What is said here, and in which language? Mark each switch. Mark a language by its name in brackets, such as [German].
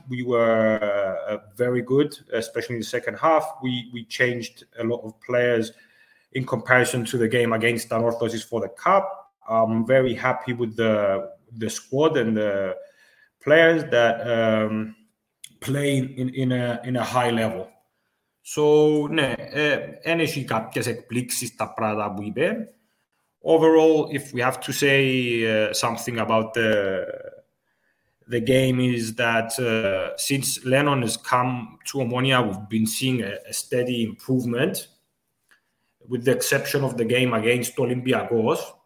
[English] We were very good, especially in the second half. We changed a lot of players in comparison to the game against Anorthosis for the Cup. I'm very happy with the squad and the players that play in a high level. [Greek] So, ναι, κάποιες εκπλήξεις τα πράγματα που είπε. [English] Overall, if we have to say something about the game is that since Lennon has come to Omonia, we've been seeing a steady improvement, with the exception of the game against Olympiacos.